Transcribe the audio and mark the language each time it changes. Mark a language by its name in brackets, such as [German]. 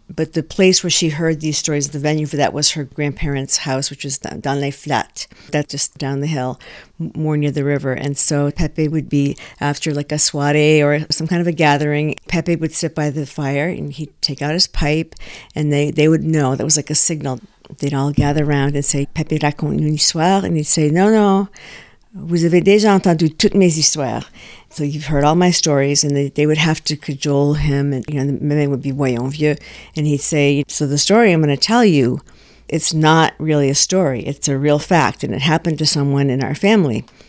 [English] But the place where she heard these stories, the venue for that was her grandparents' house, which was down Les Flats. That's just down the hill, more near the river. And so Pepe would be after like a soiree or some kind of a gathering. Pepe would sit by the fire and he'd take out his pipe and they would know. That was like a signal. They'd all gather around and say, [French] Pepe raconte une histoire. [English] And he'd say, no, no, [French] vous avez déjà entendu toutes mes histoires. [English] So you've heard all my stories, and they would have to cajole him, and you know the meme would be [French] voyons vieux, [English] and he'd say, so the story I'm going to tell you, it's not really a story, it's a real fact, and it happened to someone in our family.